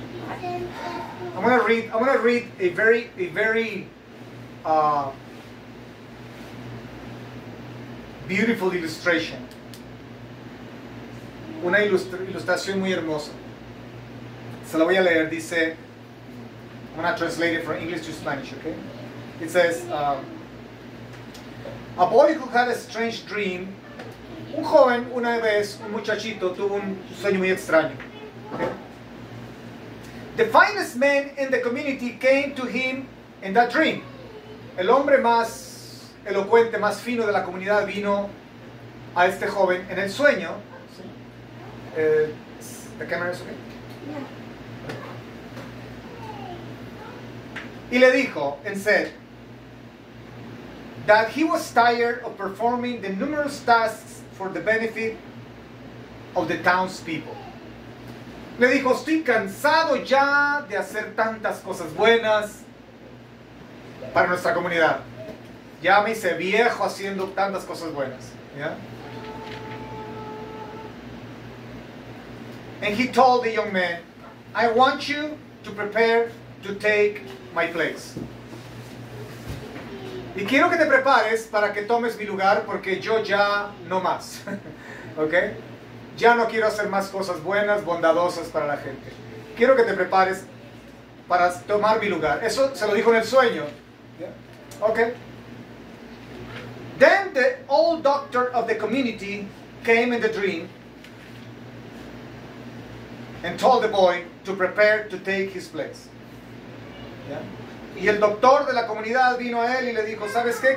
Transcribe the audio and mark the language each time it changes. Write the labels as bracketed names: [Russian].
[English] I'm gonna read a very beautiful illustration. [Spanish] Una ilustración muy hermosa. Se la voy a leer. Dice, [English] I'm gonna translate it from English to Spanish, okay? It says, a boy who had a strange dream. [Spanish] Un joven, una vez, un muchachito, tuvo un sueño muy extraño. [English] The finest man in the community came to him in that dream. [Spanish] El hombre más elocuente, más fino de la comunidad vino a este joven en el sueño. [English] The camera is okay? [Spanish] Y le dijo, [English] and said, that he was tired of performing the numerous tasks for the benefit of the townspeople. [Spanish] Le dijo, estoy cansado ya de hacer tantas cosas buenas para nuestra comunidad. Ya me hice viejo haciendo tantas cosas buenas. [English] Yeah? And he told the young man, I want you to prepare to take my place. [Spanish] Y quiero que te prepares para que tomes mi lugar porque yo ya no más. ¿Ok? Ya no quiero hacer más cosas buenas, bondadosas para la gente. Quiero que te prepares para tomar mi lugar. Eso se lo dijo en el sueño. Yeah. Okay. [English] Then the old doctor of the community came in the dream and told the boy to prepare to take his place. [Spanish] Yeah. Y el doctor de la comunidad vino a él y le dijo, ¿sabes qué?